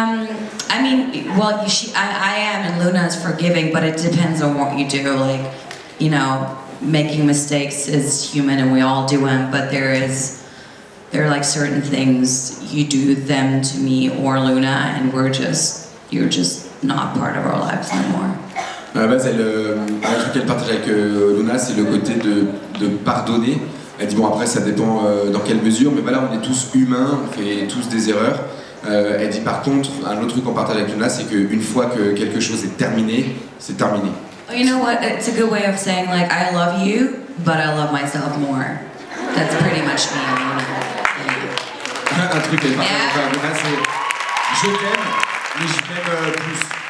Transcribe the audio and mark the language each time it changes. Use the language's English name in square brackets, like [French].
[English] I am, and Luna is forgiving, but it depends on what you do. Like, you know, making mistakes is human, and we all do them. But there are like certain things you do them to me or Luna, and you're just not part of our lives anymore. [French] À la base, un truc qu'elle partage avec Luna, c'est le côté de pardonner. Elle dit bon, après, ça dépend dans quelle mesure, mais voilà, on est tous humains, on fait tous des erreurs. Elle dit par contre, un autre truc qu'on partage avec Luna, c'est qu'une fois que quelque chose est terminé, c'est terminé. [English] You know what? It's a good way of saying like I love you, but I love myself more. That's pretty much me. [French] Un truc qu'elle partage avec Luna, c'est je t'aime, mais je t'aime plus.